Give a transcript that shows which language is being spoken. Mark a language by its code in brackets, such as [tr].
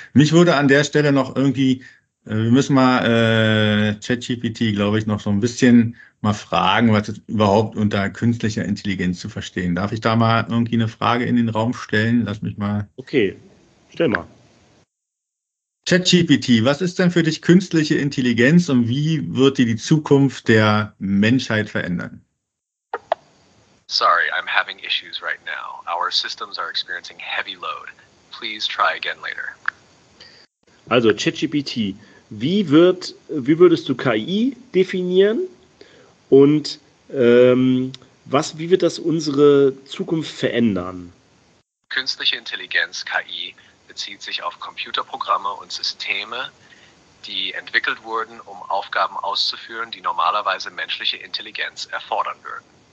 [de] Mich würde an der Stelle noch irgendwie, wir müssen mal ChatGPT, glaube ich, noch so ein bisschen mal fragen, was ist überhaupt unter künstlicher Intelligenz zu verstehen. Darf ich da mal irgendwie eine Frage in den Raum stellen? Lass mich mal. Okay, stell mal. ChatGPT, was ist denn für dich künstliche Intelligenz und wie wird dir die Zukunft der Menschheit verändern? [en] Sorry, I'm having issues right now. Our systems are experiencing heavy load. Please try again later. [de] Also ChatGPT, wie würdest du KI definieren und wie wird das unsere Zukunft verändern? Künstliche Intelligenz, KI, bezieht sich auf Computerprogramme und Systeme, die entwickelt wurden, um Aufgaben auszuführen, die normalerweise menschliche Intelligenz erfordern würden.